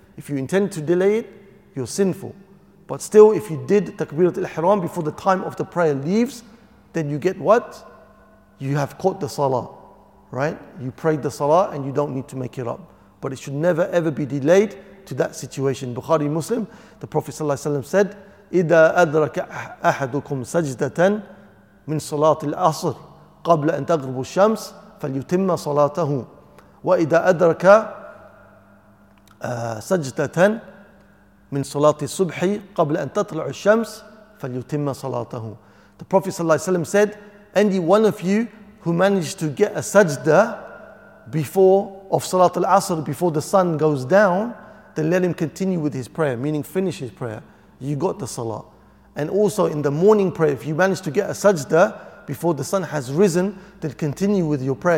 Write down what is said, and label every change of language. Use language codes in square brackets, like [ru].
[en] If you intend to delay it, you're sinful. But still, if you did Takbirat al-Ihram before the time of the prayer leaves, then you get what? You have caught the salah, right? You prayed the salah and you don't need to make it up. But it should never ever be delayed to that situation. Bukhari Muslim, the Prophet ﷺ said, [ar] إِذَا أَدْرَكَ أَحَدُكُمْ سَجْدَةً مِنْ صَلَاةِ الْأَصْرِ قَبْلَ أَنْ تَغْرُبُ الشَّمْسِ فَلْيُتِمَّ صَلَاتَهُ وَإِذَا أَدْرَكَ سَجْدَةً مِنْ صَلَاةِ الصُّبْحِ قَبْلَ أَنْ تَطْلَعُ الشَّمْسِ فَلْيُتِمَّ صَلَاتَهُ. [en] The Prophet ﷺ said, any one of you who managed to get a sajda of Salat al-Asr before the sun goes down, then let him continue with his prayer, meaning finish his prayer. You got the salah. And also in the morning prayer, if you manage to get a sajda before the sun has risen, then continue with your prayer.